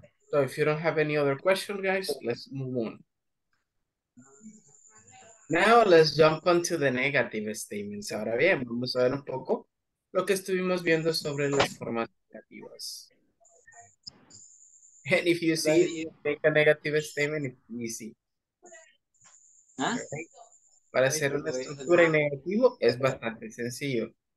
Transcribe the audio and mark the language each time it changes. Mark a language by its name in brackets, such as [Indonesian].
[English] So if you don't have any other question, guys, let's move on. Now let's jump on to the negative statements. [Spanish] Ahora bien, vamos a ver un poco lo que estuvimos viendo sobre las formas negativas. And if you see, you make a negative statement, it's easy. ¿Ah? Para hacer una estructura en negativo es bastante sencillo.